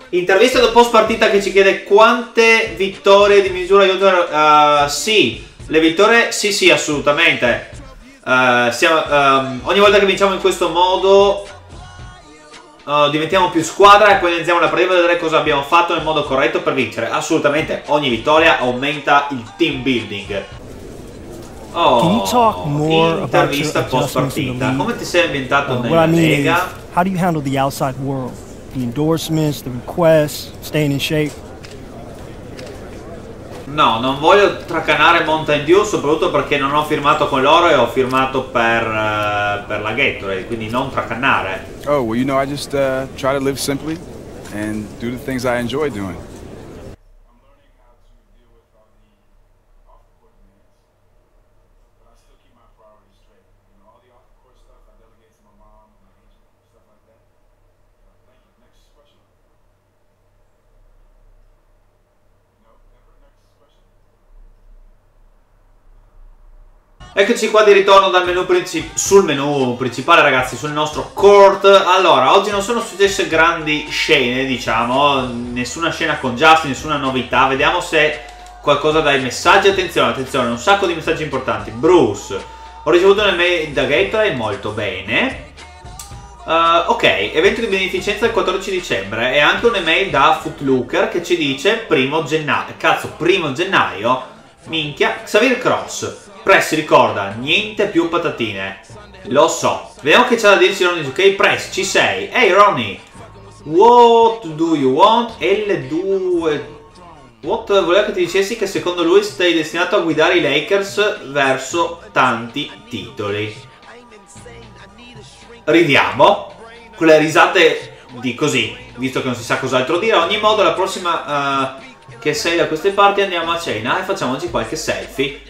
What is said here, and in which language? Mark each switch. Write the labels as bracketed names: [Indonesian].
[Italian] Intervista dopo partita che ci chiede quante vittorie di misura aiutano, sì, le vittorie sì sì assolutamente, ogni volta che vinciamo in questo modo diventiamo più squadra e poi iniziamo la partita a vedere cosa abbiamo fatto nel modo corretto per vincere, assolutamente ogni vittoria aumenta il team building. [English] Oh, can you talk more about your adjustments in the league? What I mean is, how do you handle the outside world? The endorsements, the requests, staying in shape? [Italian] No, non voglio tracanare Mountain Dew, soprattutto perché non ho firmato con loro e ho firmato per la Gatorade, quindi non tracanare. [English] Oh, well, you know, I just try to live simply and do the things I enjoy doing. [Italian] Eccoci qua di ritorno dal menu sul menu principale ragazzi, sul nostro court. Allora, oggi non sono successe grandi scene, diciamo, nessuna scena con Justin, nessuna novità. Vediamo se qualcosa dai messaggi. Attenzione, attenzione, un sacco di messaggi importanti. Bruce, ho ricevuto nel mail da Gatorade, molto bene. Ok, evento di beneficenza il 14 dicembre e anche un'email da Footlooker che ci dice primo gennaio. Cazzo, primo gennaio? Minchia, Xavier Cross. Press, ricorda, niente più patatine. Lo so. Vediamo che c'è da dirci Ronnie. Ok, Press, ci sei. [English] Hey Ronnie, what do you want? L2. What? [Italian] Voleva che ti dicessi che secondo lui stai destinato a guidare i Lakers verso tanti titoli. Ridiamo. Con le risate di così, visto che non si sa cos'altro dire. Ogni modo, la prossima che sei da queste parti andiamo a cena e facciamoci qualche selfie.